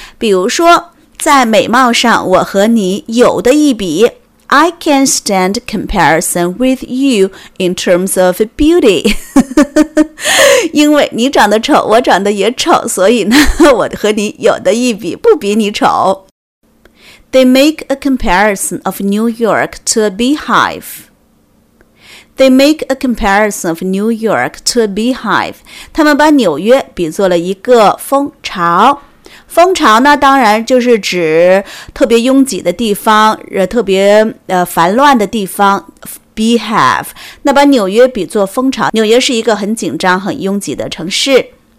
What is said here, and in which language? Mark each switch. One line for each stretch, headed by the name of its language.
Chinese: 比如说在美貌上我和你有的一比，
English: I can stand comparison with you in terms of beauty.
Chinese: 因为你长得丑我长得也丑，所以呢我和你有的一比，不比你丑。
English: They make a comparison of New York to a beehive. They make a comparison of New York to a beehive.
Chinese: 他们把纽约比作了一个蜂巢。蜂巢呢，当然就是指特别拥挤的地方，特别繁乱的地方。 Beehive， 那把纽约比作蜂巢，纽约是一个很紧张、很拥挤的城市。